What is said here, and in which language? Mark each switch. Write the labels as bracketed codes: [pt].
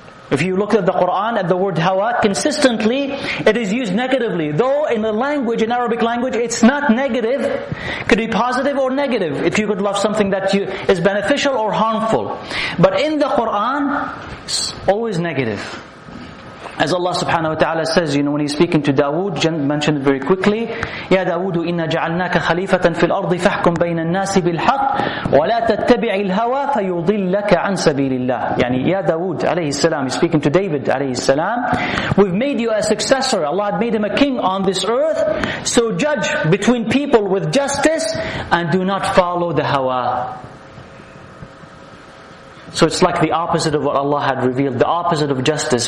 [en] If you look at the Quran, at the word hawa, consistently it is used negatively. Though in the language, in Arabic language, it's not negative. Could be positive or negative. If you could love something that you, is beneficial or harmful. But in the Quran, it's always negative. As Allah subhanahu wa ta'ala says, you know, when He's speaking to Dawood, mentioned very quickly, [ar] يَا دَاوُودُ إِنَّا جَعَلْنَاكَ خَلِيفَةً فِي الْأَرْضِ فَحْكُمْ بَيْنَ النَّاسِ بِالْحَقِّ وَلَا تَتَّبِعِ الْهَوَى فَيُضِلَّكَ عَنْ سَبِيلِ اللَّهِ. [en] Yani, [ar] يَا دَاوُودُ عَلَيْهِ السَّلَامِ, [en] He's speaking to David عَلَيْهِ السَّلَامِ, we've made you a successor. Allah had made him a king on this earth. So judge between people with justice and do not follow the hawa. So it's like the opposite of what Allah had revealed, the opposite of justice.